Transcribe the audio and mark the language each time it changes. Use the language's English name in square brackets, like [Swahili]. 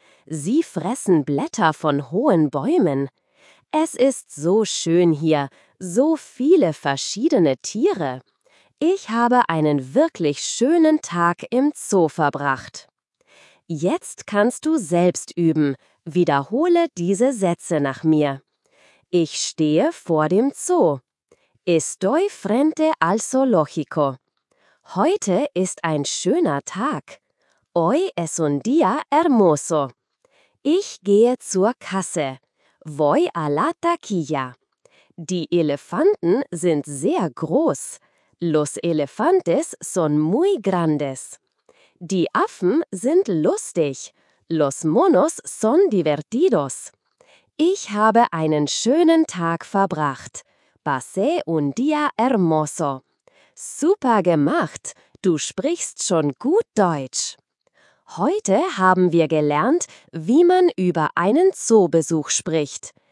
[German] Sie fressen Blätter von hohen Bäumen. Es ist so schön hier, so viele verschiedene Tiere. Ich habe einen wirklich schönen Tag im Zoo verbracht. Jetzt kannst du selbst üben. Wiederhole diese Sätze nach mir. Ich stehe vor dem Zoo. [Spanish] Estoy frente al zoológico. [German] Heute ist ein schöner Tag. [Spanish] Hoy es un día hermoso. [German] Ich gehe zur Kasse. [Spanish] Voy a la taquilla. [German] Die Elefanten sind sehr groß. [Spanish] Los elefantes son muy grandes. [German] Die Affen sind lustig. [Spanish] Los monos son divertidos. [German] Ich habe einen schönen Tag verbracht. [Spanish] Pasé un día hermoso. [German] Super gemacht! Du sprichst schon gut Deutsch. Heute haben wir gelernt, wie man über einen Zoobesuch spricht.